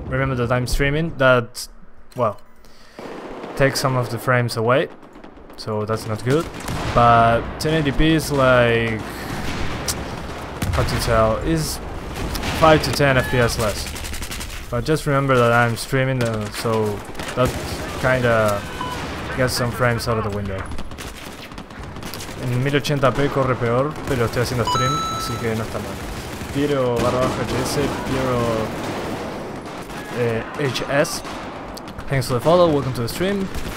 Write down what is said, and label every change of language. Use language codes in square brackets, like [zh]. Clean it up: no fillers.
[en] Remember that I'm streaming, that, well, takes some of the frames away, so that's not good. But 1080p is like, how to tell, is 5 to 10 FPS less. But just remember that I'm streaming, so that kinda gets some frames out of the window. [es] En 1080p corre peor, pero estoy haciendo stream, así que no está mal. Piero barra baja HS, Piero... [en] HS, thanks for the follow, welcome to the stream.